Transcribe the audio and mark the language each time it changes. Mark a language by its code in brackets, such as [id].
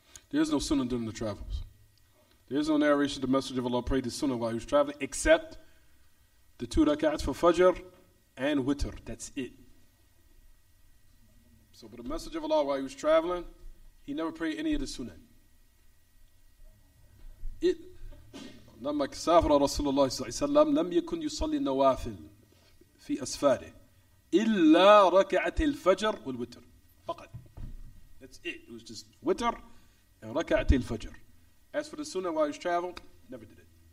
[en] There is no sunnah during the travels. There is no narration the Messenger of Allah prayed the sunnah while he was traveling except the 2 rak'ats for Fajr and Witr. That's it. So, but the Messenger of Allah while he was traveling, he never prayed any of the sunnah. It. [ar] لما كسافر رسول الله صلى الله عليه وسلم لم يكن يصلي النوافل في أسفاره إلا ركعة الفجر والوتر. فقط. [en] That's it. It was just Witr. And rak'at al-fajr. As for the sunnah while he's traveling, never did it.